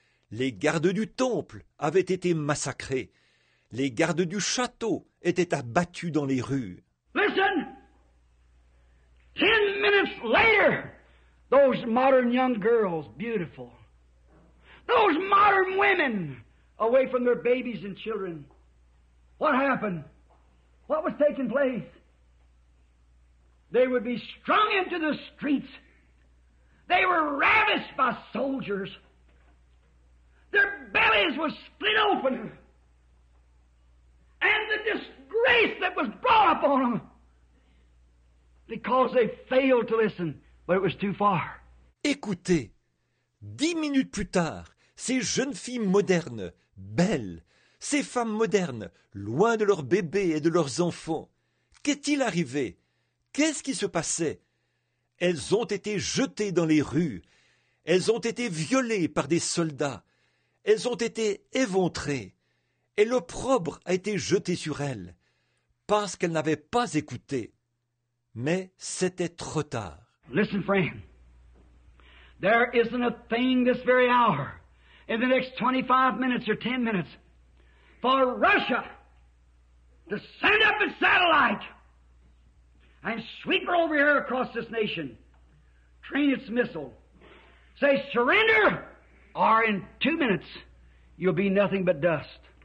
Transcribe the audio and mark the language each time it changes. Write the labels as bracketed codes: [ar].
[fr] Les gardes du temple avaient été massacrés. Les gardes du château étaient abattus dans les rues. [en] Listen! minutes later, those modern young girls, beautiful, those modern women, away from their babies and children. What happened? What was taking place? They would be strung into the streets. They were ravished by soldiers. Their bellies were split open. And the disgrace that was brought upon them because they failed to listen, but it was too far. [fr] Écoutez, 10 minutes plus tard, ces jeunes filles modernes, belles, ces femmes modernes, loin de leurs bébés et de leurs enfants, qu'est-il arrivé? Qu'est-ce qui se passait? Elles ont été jetées dans les rues. Elles ont été violées par des soldats. Elles ont été éventrées. Et l'opprobre a été jeté sur elles, parce qu'elles n'avaient pas écouté. Mais c'était trop tard. [en] Listen, friend. There isn't a thing this very hour, in the next 25 minutes or 10 minutes, for Russia to send up its satellite and sweep her over here across this nation, train its missile, say surrender, or in 2 minutes you'll be nothing but dust.